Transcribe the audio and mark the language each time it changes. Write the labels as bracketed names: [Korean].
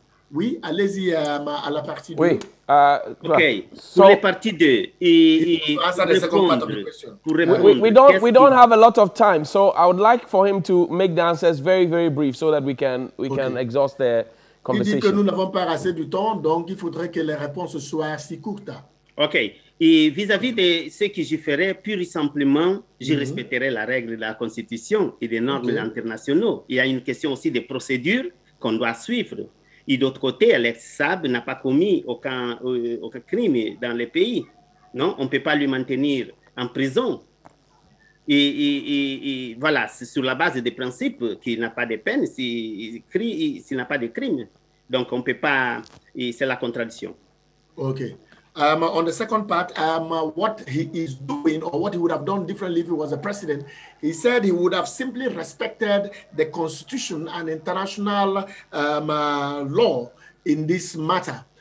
[French] Oui, allez-y à la partie 2. Oui. OK. So, pour la partie 2, [English] we don't have a lot of time, so I would like for him to make the answers very, very brief so that we can exhaust the conversation. [French] Il dit que nous n'avons pas assez de temps, donc il faudrait que les réponses soient si courtes. OK. Et vis-à-vis de ce que je ferai, pur et simplement, je respecterai la règle de la Constitution et des normes internationaux. Il y a une question aussi de procédure qu'on doit suivre. Et d'autre côté, Alex Saab n'a pas commis aucun crime dans le pays. Non, on ne peut pas lui maintenir en prison. Et voilà, c'est sur la base des principes qu'il n'a pas de peine s'il n'a pas de crime. Donc, on ne peut pas... C'est la contradiction. OK. [English] On the second part, what he is doing or what he would have done differently if he was a president, he said he would have simply respected the constitution and international law in this matter.